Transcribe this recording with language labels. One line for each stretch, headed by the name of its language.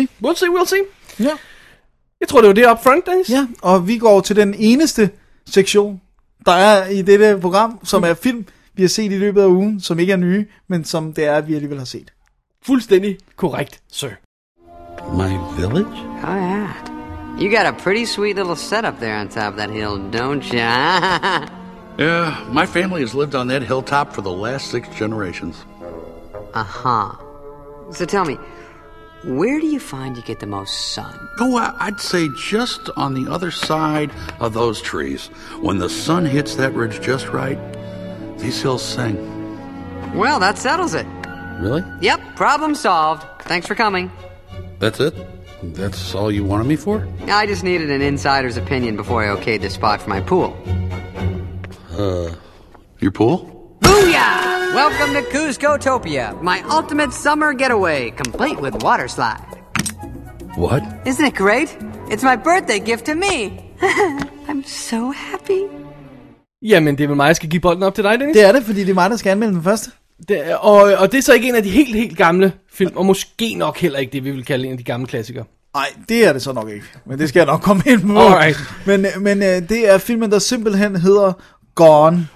English: We'll see. Ja.
Danish: Jeg tror, det var det up front, Dennis. Ja, og vi går til den eneste sektion, der er i dette program, som er film. Vi har set i løbet af ugen, som ikke er nye, men som det er, vi alligevel har set. Fuldstændig korrekt, sir.
English: My village? Oh, yeah. You got a pretty sweet little setup there on top of that hill, don't ya? Yeah, my family has lived on that hilltop for the last 6 generations. Uh-huh. So tell me, where do you find you get the most sun? Oh, I'd say just on the other side of those trees. When the sun hits that ridge just right... These hills sing. Well, that settles it. Really? Yep, problem solved. Thanks for coming. That's it? That's all you wanted me for? I just needed an insider's opinion before I okayed this spot for my pool. Your pool? Booyah! Welcome to Cuscotopia, my ultimate summer getaway, complete with water slide. What? Isn't it great? It's my birthday gift to me. I'm so happy.
Danish: Jamen, det er vel mig, jeg skal give bolden op til dig, Dennis? Det er det, fordi det er mig, der skal anmelde den første. Og det er så ikke en af de helt, helt gamle film, og måske nok heller ikke det, vi vil kalde en af de gamle klassikere. Nej, det er det så nok ikke, men det skal jeg nok komme ind på.
English: Alright.
Danish: Men det er filmen, der simpelthen hedder Gone.